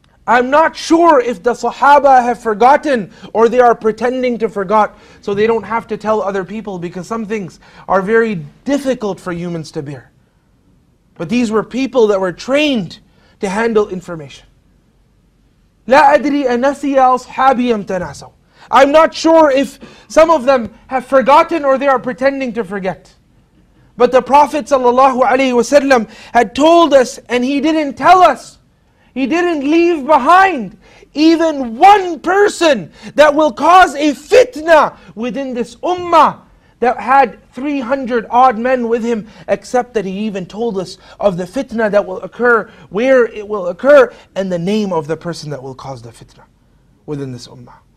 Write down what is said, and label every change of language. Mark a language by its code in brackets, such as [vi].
[en] I'm not sure if the Sahaba have forgotten or they are pretending to forget so they don't have to tell other people, because some things are very difficult for humans to bear. But these were people that were trained to handle information. [ar] لا أدري أنسي أصحابي أم تناسوا. [en] I'm not sure if some of them have forgotten or they are pretending to forget. But the Prophet ﷺ had told us, and he didn't tell us, he didn't leave behind even one person that will cause a fitna within this ummah that had 300 odd men with him, except that he even told us of the fitna that will occur, where it will occur, and the name of the person that will cause the fitna within this ummah.